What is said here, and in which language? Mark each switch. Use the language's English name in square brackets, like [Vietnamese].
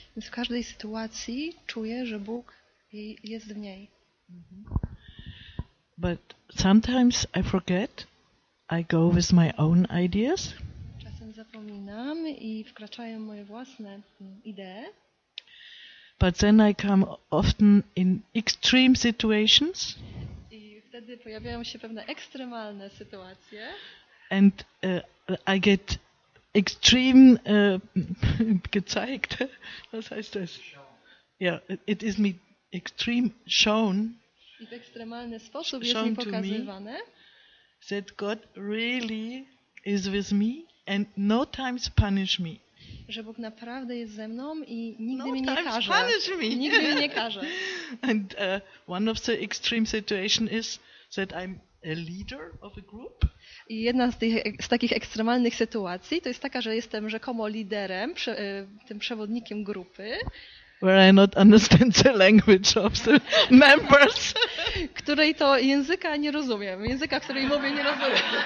[Polish] Więc w każdej sytuacji czuję, że Bóg jest w niej. [English] But sometimes I forget. I go with my own ideas. [Polish] Zapominam i wkraczają moje własne idee. [English] But then I come often in extreme situations. [Polish] I wtedy pojawiają się pewne ekstremalne sytuacje. [English] And I get extreme [German] gezeigt. Was heißt das? [English] Yeah, it is me extreme shown. [Polish] I w ekstremalny sposób jest mi pokazywane. [English] That God really is with me. And no times punish me. [Polish] Że Bóg naprawdę jest ze mną i nigdy mnie nie karze. Nigdy mnie nie karze. [English] And one of the extreme situation is that I'm a leader of a group. [Polish] I jedna z takich ekstremalnych sytuacji to jest taka, że jestem rzekomo liderem, tym przewodnikiem grupy. [English] Where I not understand the language of the members. [Polish] Której to języka nie rozumiem. Języka, której mówię, nie rozumiem.